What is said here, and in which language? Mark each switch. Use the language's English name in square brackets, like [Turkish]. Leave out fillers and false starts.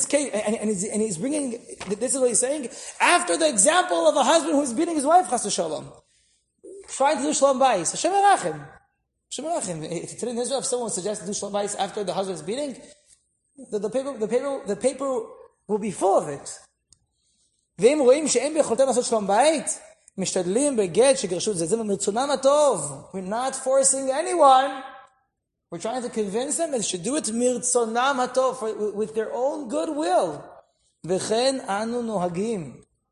[English] This is what he's saying. After the example of a husband who's beating his wife, Chas v'Shalom, trying to do Shalom Bayis. Hashem Erachim. If today in Israel, if someone suggests to do Shalom Bayis after the husband's beating, the paper will be full of it. [Hebrew] ואם רואים שאין ביכולתם לעשות שלום בית, משתדלים בגט שגרשו את זה, זה מרצונם הטוב. [English] We're not forcing anyone. We're trying to convince them that they should do it [Hebrew] מרצונם הטוב, [English] with their own goodwill. [Hebrew] וכן אנו נוהגים.